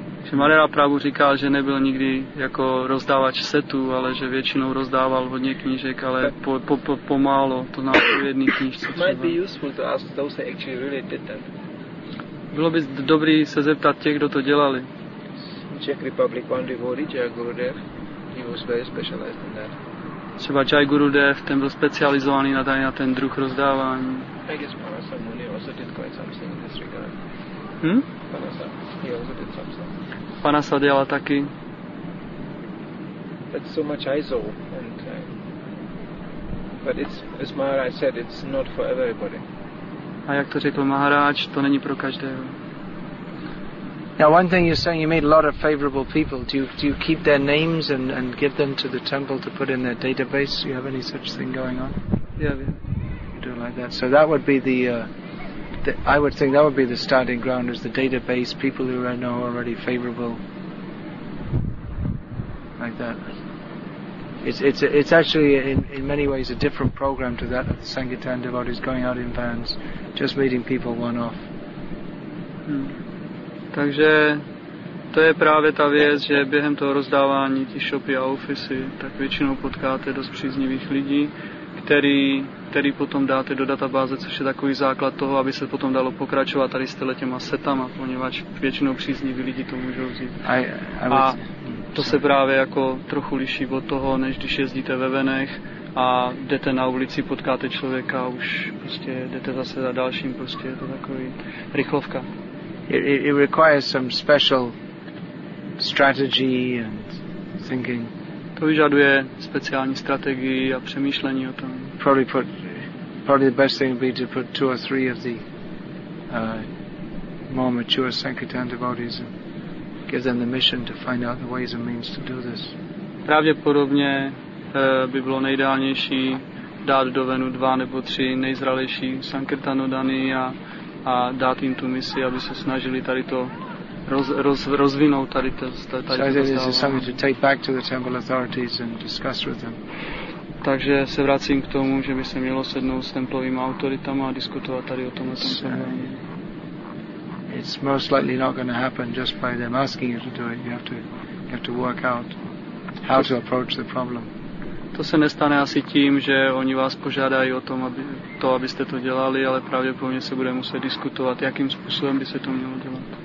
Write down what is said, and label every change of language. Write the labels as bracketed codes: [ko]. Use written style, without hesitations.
[cs] Že Marela Prabhu říkal, že nebyl nikdy jako rozdávač setů, ale že většinou rozdával hodně knížek, ale pomálo, to na jedný knížce. [en] It might be useful to ask those who actually really did that. [cs] Bylo by dobrý se zeptat těch, kdo to dělali. [en] Czech Republic one devotee, Jai Gurudev, he was very specialized in that. [cs] Třeba Jai Gurudev, ten byl specializovaný na ten druh rozdávání. [en] I guess Parasa Muni also did quite something in this regard. Parasa, he also did something. [cs] Parasa dělala taky. [en] But so much ISO. But it's, as Maharaj said, it's not for everybody. A jak to řekl Maharaj, to není pro každého. Now one thing you're saying, you meet a lot of favorable people. Do you keep their names and give them to the temple to put in their database? Do you have any such thing going on? Yeah. You do like that. So that would be I would think that would be the starting ground is the database, people who I know are already favorable. Like that. It's actually in many ways a different program to that of the Sankirtan devotees going out in vans, just meeting people one off. [cs] Takže to je právě ta věc, že během toho rozdávání ty shopy a ofisy, tak většinou potkáte dost příznivých lidí, který potom dáte do databáze, což je takový základ toho, aby se potom dalo pokračovat tady s těma setama, poněvadž většinou příznivý lidi to můžou vzít. A to se právě jako trochu liší od toho, než když jezdíte ve venech a jdete na ulici, potkáte člověka a už prostě jdete zase za dalším, prostě je to takový rychlovka. [en] It requires some special strategy and thinking. [cs] To vyžaduje speciální strategii a přemýšlení o tom. [en] Probably the best thing would be to put two or three of the more mature Sankirtan devotees and give them the mission to find out the ways and means to do this. [cs] Pravděpodobně by bylo nejideálnější dát do venu dva nebo tři nejzralejší Sankirtanodany a dát jim tu misi, aby se snažili tady to rozvinout tady to stavování. Takže se vracím k tomu, že by se mělo sednout s templovými autoritama a diskutovat tady o tom. [en] It's most likely not going to happen just by them asking you to do it. You have to work out how to approach the problem. [cs] To se nestane asi tím, že oni vás požádají o tom, abyste to dělali, ale pravděpodobně se bude muset diskutovat, jakým způsobem by se to mělo dělat.